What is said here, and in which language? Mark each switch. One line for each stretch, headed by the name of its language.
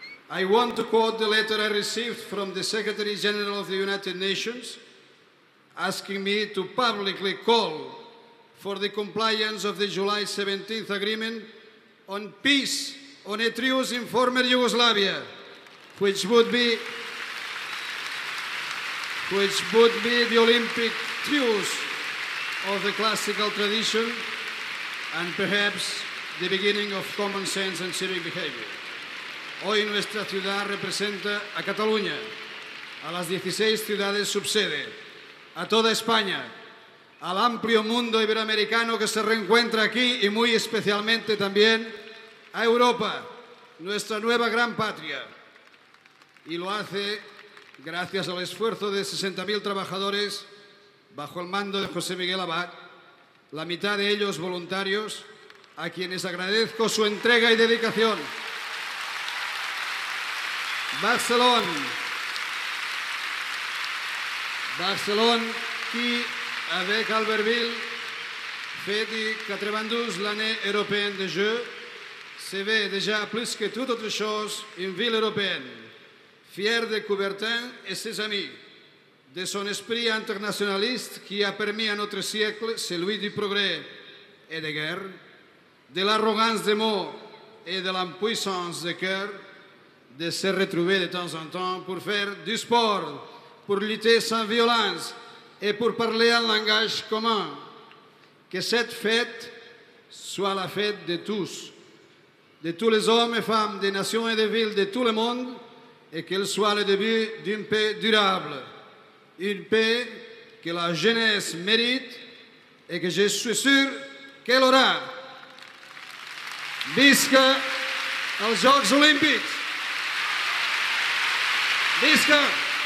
English: I want to quote the letter I received from the Secretary General of the United Nations asking me to publicly call for the compliance of the July 17th agreement on peace on a truce in former Yugoslavia, which would be the Olympic truce of the classical tradition and perhaps the beginning of common sense and civic behavior.
Spanish: Hoy nuestra ciudad representa a Cataluña, a las 16 ciudades subsede, a toda España, al amplio mundo iberoamericano que se reencuentra aquí y muy especialmente también a Europa, nuestra nueva gran patria. Y lo hace gracias al esfuerzo de 60.000 trabajadores bajo el mando de José Miguel Abad, la mitad de ellos voluntarios, a quienes agradezco su entrega y dedicación.
French: Barcelona, Barcelona, qui avec Albertville fait du 92 l'année européenne de jeu, c'est vrai déjà plus que toute autre chose une ville européenne, fière de Coubertin et ses amis, de son esprit internationaliste qui a permis à notre siècle, celui du progrès et de guerre, de l'arrogance des mots et de l'impuissance de cœur, de se retrouver de temps en temps pour faire du sport, pour lutter sans violence et pour parler un langage commun. Que cette fête soit la fête de tous les hommes et femmes, des nations et des villes, de tout le monde, et qu'elle soit le début d'une paix durable, une paix que la jeunesse mérite et que je suis sûr qu'elle aura.
Catalan: Visca els Jocs Olímpics!
English: Let's go.